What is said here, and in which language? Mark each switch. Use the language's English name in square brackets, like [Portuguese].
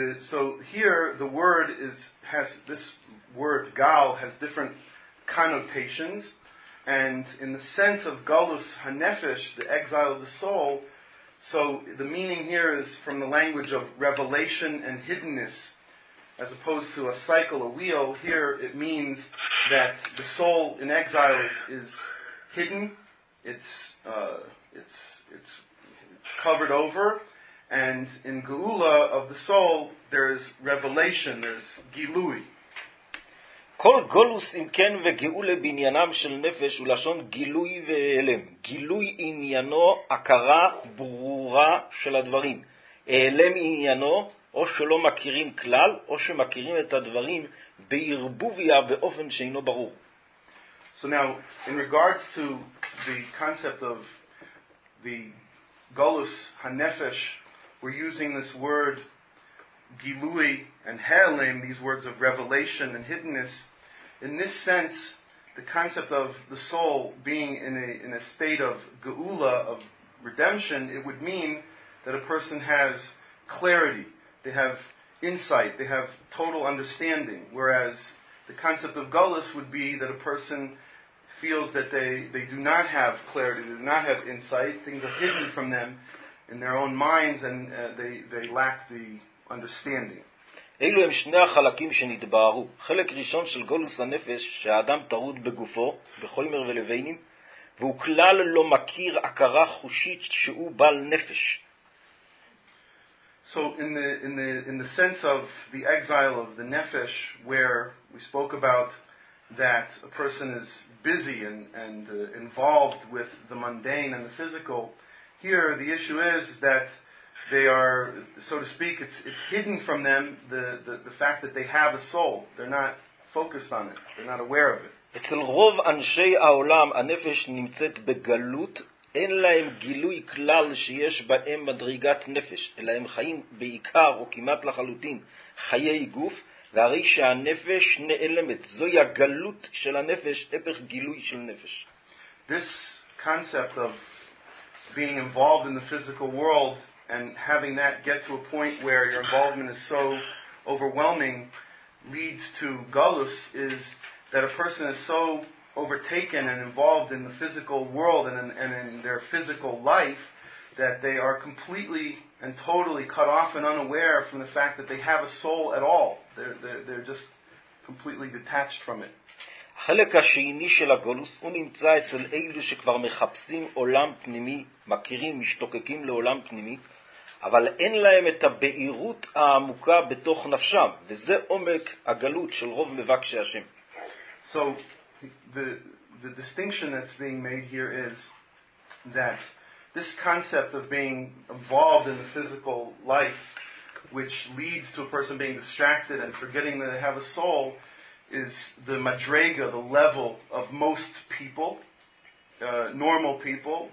[English] So here the word has this word gal has different connotations, and in the sense of gullus hanefesh, the exile of the soul, so the meaning here is from the language of revelation and hiddenness, as opposed to a cycle, a wheel. Here it means that the soul in exile is hidden, it's covered over, and in geula of the soul there is revelation, there's gilui. [Hebrew] כל גולוס אם כן וגאולה בעניינם של נפש הוא לשון גילוי ואלם. גילוי עניינו, הכרה ברורה של הדברים. אלם עניינו, או שלא מכירים כלל, או שמכירים את הדברים בערבוביה באופן שאינו ברור. [English] So now, in regards to the concept of the גולוס הנפש, we're using this word gilui and helem, these words of revelation and hiddenness. In this sense, the concept of the soul being in a state of geula, of redemption, it would mean that a person has clarity, they have insight, they have total understanding, whereas the concept of gullus would be that a person feels that they do not have clarity, they do not have insight, things are hidden from them in their own minds, and they lack the understanding. [Hebrew] אלו הם שני החלקים שנתבארו. חלק ראשון של גולוס הנפש, שהאדם טרוד בגופו, בחומר ולבנים, והוא כלל לא מכיר הכרה חושית שהוא בעל נפש. [English] So in the sense of the exile of the nefesh, where we spoke about that a person is busy and involved with the mundane and the physical, here the issue is that they are, so to speak, it's hidden from them the fact that they have a soul. They're not focused on it, they're not aware of it. [Hebrew] אצל רוב אנשי העולם הנפש נמצאת בגלות, אין להם גילוי כלל שיש בהם מדרגת נפש, אלא הם חיים בעיקר או כמעט לחלוטין חיי גוף, והרי שהנפש נעלמת. זוהי הגלות של הנפש, הפך גילוי של נפש. [English] This concept of being involved in the physical world and having that get to a point where your involvement is so overwhelming leads to galus, is that a person is so overtaken and involved in the physical world and in their physical life that they are completely and totally cut off and unaware from the fact that they have a soul at all. They're just completely detached from it. [Hebrew] החלק השני של הגולוס הוא נמצא אצל אלו שכבר מחפשים עולם פנימי, מכירים, משתוקקים לעולם פנימי, אבל אין להם את הבהירות העמוקה בתוך נפשם, וזה עומק הגלות של רוב מבקשי השם. [English] So the distinction that's being made here is that this concept of being involved in the physical life, which leads to a person being distracted and forgetting that they have a soul, is the madrega, the level of most people, normal people.